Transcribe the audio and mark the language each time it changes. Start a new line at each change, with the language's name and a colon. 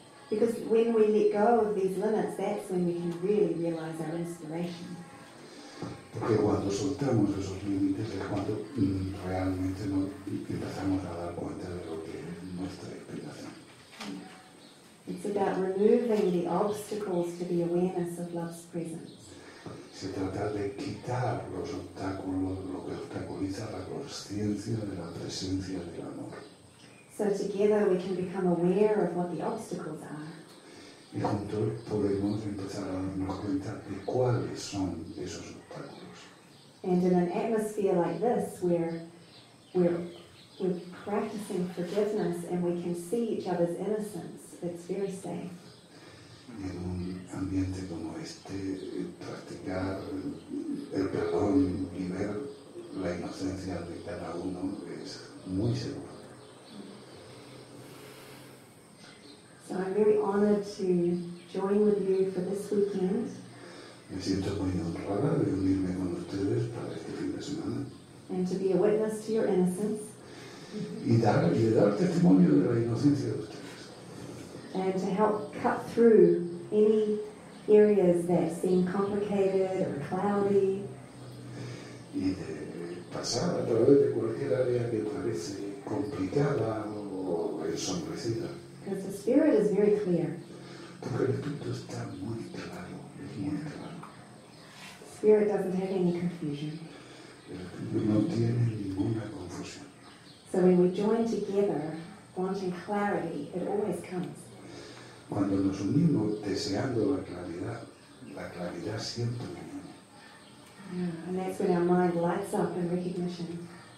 English: Because when we let go of these limits, that's when we can really realize our inspiration.
Spanish: Porque cuando soltamos esos límites es cuando realmente empezamos a dar cuenta de lo que es nuestra inspiración.
English: It's about removing the obstacles to the awareness of love's presence.
Spanish: Se trata de quitar los obstáculos, lo que obstaculiza la consciencia de la presencia del amor.
English: So together we can become aware of what the obstacles are.
Spanish: Y juntos podemos empezar a darnos cuenta de cuáles son esos obstáculos.
English: And in an atmosphere like this, where we're practicing forgiveness and we can see each other's innocence, it's very safe.
Spanish: En un ambiente como este, practicar el perdón y ver la inocencia de cada uno es muy seguro.
English: So I'm very honored to join with you for this weekend.
Spanish: Me siento muy honrada de unirme con ustedes para este fin de semana.
English: And to be a witness to your innocence.
Spanish: Y dar testimonio de la inocencia de ustedes.
English: And to help cut through any areas that seem complicated or cloudy.
Spanish: Y de pasar a través de cualquier área que parece complicada o ensombrecida.
English: Because the spirit is very clear.
Spanish: Porque el espíritu está muy claro, es muy claro.
English: The spirit doesn't have any confusion.
Spanish: El espíritu no tiene ninguna confusión.
English: So when we join together, wanting clarity, it always comes.
Spanish: Cuando nos unimos deseando la claridad siempre viene.
English: Yeah, and that's when our mind lights up in recognition.